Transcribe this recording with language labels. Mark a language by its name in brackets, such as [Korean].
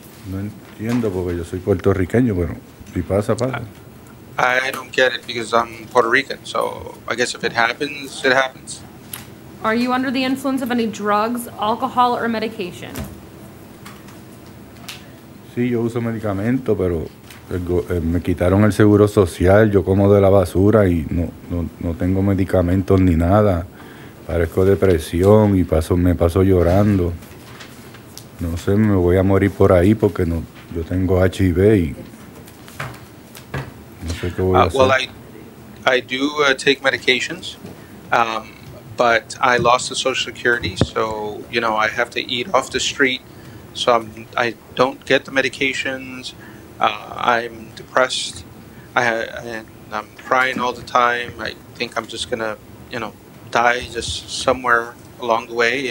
[Spanish] No entiendo porque yo soy puertorriqueño, pero si pasa, pasa. [English] I don't get it because I'm Puerto Rican, so I guess if it happens, it happens. Are you under the influence of any drugs, alcohol, or medication? [Spanish] Sí, yo uso medicamento, pero me quitaron el seguro social. Yo como de la basura y no tengo medicamentos ni nada. Parezco depresión y me paso llorando. No sé, me voy a morir por ahí porque no, yo tengo HIV y no sé qué voy a hacer. [English] Well, I do take medications, but I lost the Social Security, so, you know, I have to eat off the street. So I don't get the medications. I'm depressed. And I'm crying all the time. I think I'm just gonna, you know, die just somewhere along the way.